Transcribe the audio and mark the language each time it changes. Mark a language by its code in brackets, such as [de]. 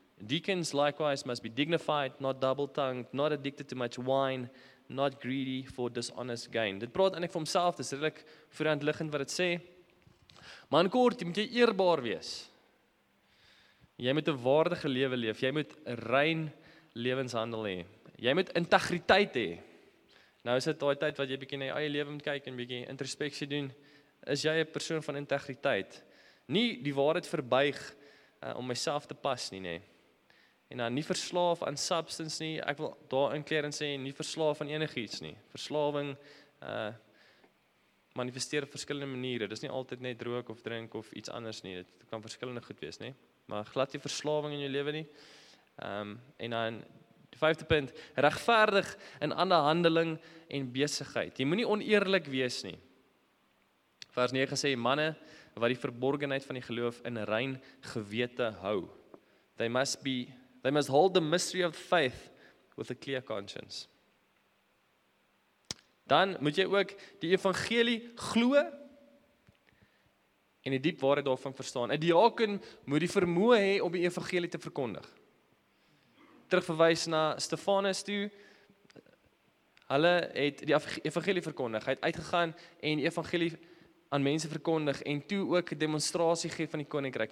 [en] Deacons likewise must be dignified, not double-tongued, not addicted to much wine, not greedy for dishonest gain. [af] Dit praat eintlik vir homself, dis redelik voor die hand liggend wat dit sê. Maar in kort, jy moet jy eerbaar wees. Jy moet 'n waardige lewe leef, jy moet rein lewenshandel hê. Jy moet integriteit hê. Nou is dit daai tyd wat jy bietjie na jou eie lewe moet kyk en bietjie introspeksie doen. Is jy 'n persoon van integriteit? Nie die waarheid verbuig om myself te pas nie, nee. En dan nie verslaaf aan substance nie. Ek wil daar inkleer en sê nie verslaaf aan enigiets nie. Verslawing manifesteer op verskillende maniere. Dis nie altyd net rook of drink of iets anders nie. Dit kan verskillende goed wees, nee. Maar glad nie verslawing in jou lewe nie. En dan die vyfde punt, regverdig in ander handeling en besigheid. Jy moenie oneerlik wees nie. Vers 9 sê, manne wat die verborgenheid van die geloof in rein gewete hou. [en] They must hold the mystery of faith with a clear conscience. [af] Dan moet jy ook die evangelie glo en die diep waarheid daarvan verstaan. 'N Diaken moet die vermoë hê om die evangelie te verkondig. Terugverwys na Stefanus toe. Hulle het die evangelie verkondig. Hy het uitgegaan en die evangelie aan mense verkondig en toe ook 'n demonstrasie gee van die koninkryk.